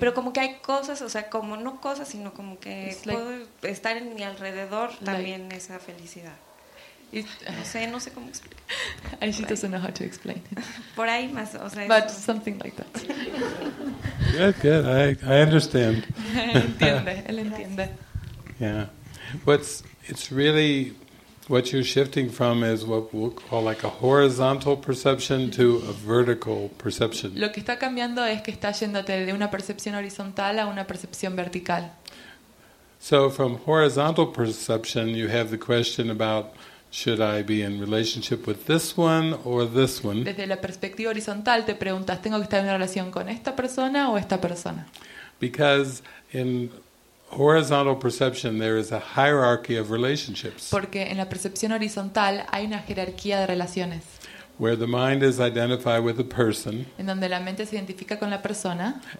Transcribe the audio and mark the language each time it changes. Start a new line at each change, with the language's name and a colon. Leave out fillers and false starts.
Spanish: Pero como que hay cosas, o sea, como no cosas, sino como que puedo estar en mi alrededor también esa felicidad. No sé cómo explicar.
English: And she doesn't know how to explain it.
Spanish: Por ahí más, o sea,
English: but something like that. Good. I understand.
Spanish: Entiende.
English: Yeah. It's really what you're shifting from is what we'll call like a horizontal perception to a vertical perception.
Spanish: Lo que está cambiando es que está yéndote de una percepción horizontal a una percepción vertical.
English: So from horizontal perception, you have the question about should I be in relationship with this one or this one?
Spanish: Desde la perspectiva horizontal te preguntas, ¿tengo que estar en una relación con esta persona o esta persona?
English: Because in horizontal perception there is a hierarchy of relationships.
Spanish: Porque en la percepción horizontal hay una jerarquía de relaciones.
English: Where the mind is identified with a person.
Spanish: En donde la mente se identifica con la persona.